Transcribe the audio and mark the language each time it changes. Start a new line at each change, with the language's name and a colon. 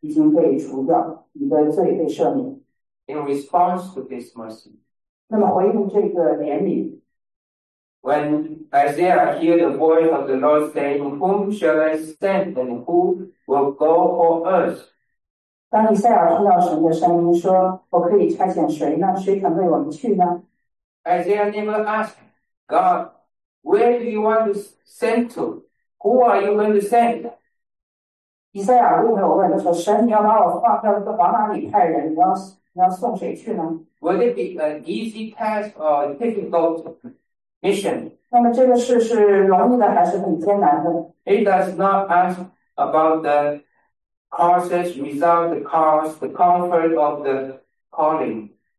Chinese: 同一位神说：“你的罪已经被除掉，你的罪被赦免。”
English: In response to this mercy,
Chinese: 那么回应这个怜悯。
English: When Isaiah hears the voice of the Lord saying, "Whom shall I send, and who will go for us?"
Chinese: 当以赛亚听到神的声音说：“我可以差遣谁呢？谁肯为我们去呢？”
English: Isaiah never asked God, "Where do you want to send to? Who are you going to send?"
Chinese: 以赛亚并没有问他说：“神，你要把我放到往哪里派人？你要送谁去呢？”
English: Would it be an easy task or a difficult mission?
Chinese: 那么这个事是容易的还是很艰难的？
English: He does not ask about the causes, result, the cause, the comfort of the calling.